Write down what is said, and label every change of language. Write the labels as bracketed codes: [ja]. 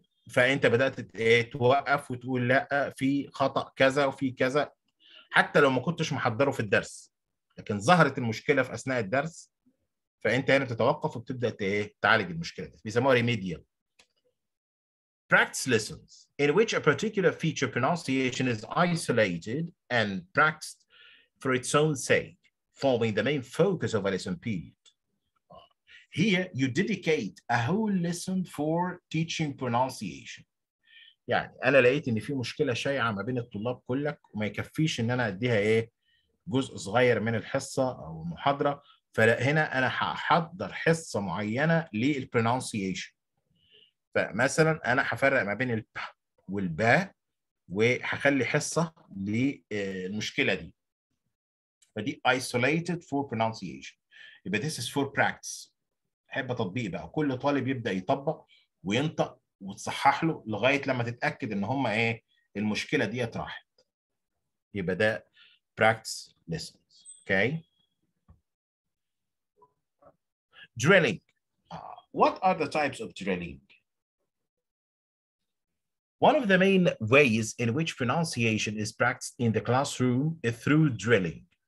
[ar] فانت بدات توقف وتقول لا في خطا كذا وفي كذا حتى لو ما كنتش محضره في الدرس، لكن ظهرت المشكله في اثناء الدرس، فانت هنا تتوقف وبتبدا تعالج المشكله دي، بيسموها remedial. [en] Practice lessons in which a particular feature pronunciation is isolated and practiced for its own sake, forming the main focus of a lesson period. Here you dedicate a whole lesson for teaching pronunciation. [ar] يعني انا لقيت ان في مشكله شائعه ما بين الطلاب كلك وما يكفيش ان انا اديها جزء صغير من الحصه او المحاضره، فهنا انا هحضر حصه معينه للبرونسيشن. فمثلا انا هفرق ما بين الب والباء وهخلي حصه للمشكله دي. [en] فدي isolated for pronunciation. يبقى this is for practice. [ar] حب تطبيق بقى، كل طالب يبدا يطبق وينطق وتصحح له لغايه لما تتاكد ان هم المشكله دي راحت. [en] يبقى ده practice lessons. Okay. Drilling. What are the types of drilling? One of the main ways in which pronunciation is practiced in the classroom is through drilling.